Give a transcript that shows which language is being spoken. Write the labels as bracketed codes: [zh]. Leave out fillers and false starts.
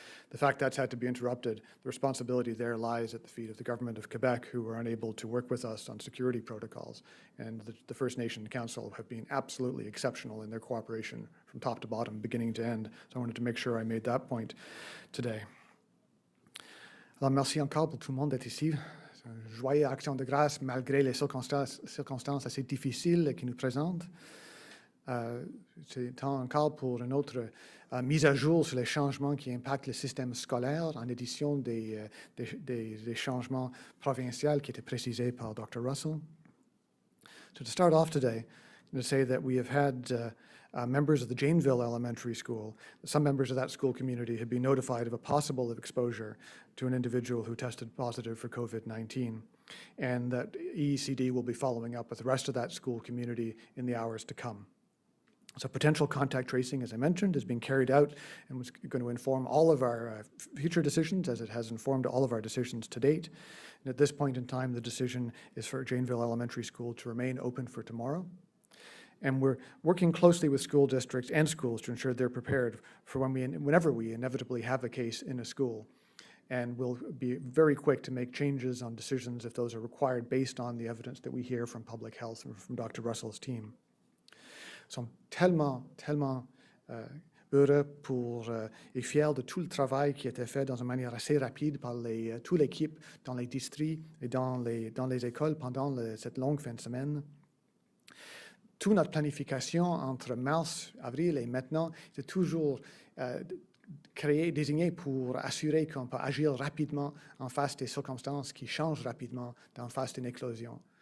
[en] The fact that's had to be interrupted, the responsibility there lies at the feet of the government of Quebec, who were unable to work with us on security protocols. And the First Nation Council have been absolutely exceptional in their cooperation from top to bottom, beginning to end. So I wanted to make sure I made that point today. [fr] Merci encore pour tout le monde d'être ici. Joyeux action de grâce malgré les circonstances assez difficiles qui nous présentent. C'est temps encore pour une autre mise à jour sur les changements qui impactent le système scolaire en addition des changements provinciaux qui étaient précisés par Dr. Russell. [en] So to start off today, I'm going to say that we have had members of the Janeville Elementary School, some members of that school community have been notified of a possible exposure to an individual who tested positive for COVID-19, and that EECD will be following up with the rest of that school community in the hours to come. So potential contact tracing, as I mentioned, is being carried out and was going to inform all of our future decisions, as it has informed all of our decisions to date. And at this point in time, the decision is for Janeville Elementary School to remain open for tomorrow. And we're working closely with school districts and schools to ensure they're prepared for whenever we inevitably have a case in a school. And we'll be very quick to make changes on decisions if those are required based on the evidence that we hear from public health or from Dr. Russell's team. So I'm [fr] tellement heureux pour et fier de tout le travail qui a été fait dans une manière assez rapide par toute l'équipe dans les districts et dans les écoles pendant cette longue fin de semaine. Toute notre planification entre mars, avril et maintenant, c'est toujours désigné pour assurer qu'on peut agir rapidement en face des circonstances qui changent rapidement en face d'une éclosion.